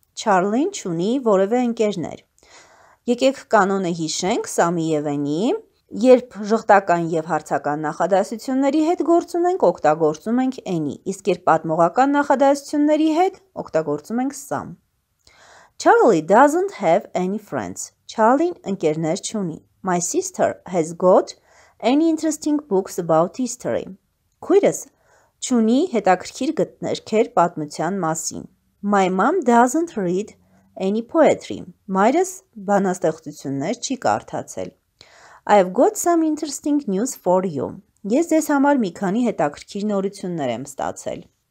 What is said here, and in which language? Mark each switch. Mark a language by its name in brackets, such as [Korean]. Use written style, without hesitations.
[Armenian] Charlie-ն չունի որևէ ընկերներ. Եկեք կանոնը հիշենք Սամի և Էնի. Երբ ժխտական և հարցական նախադասությունների հետ գործում ենք, օգտագործում ենք Էնի, իսկ երբ պատմողական նախադասությունների հետ օգտագործում ենք Սամ. [English] Charlie doesn't have any friends. [Armenian] Charlie-ն ընկերներ չունի. [English] My sister has got any interesting books about history. [Armenian] Քույրս չունի հետաքրքիր գտներքեր պատմության մասին. [English] My mom doesn't read any poetry. [Armenian] Մայրս բանաստեղծություններ չի կարդացել. [English] I've got some interesting news for you. [Armenian] Ես ձեզ համար մի քանի հետաքրքիր նորություններ եմ ստացել.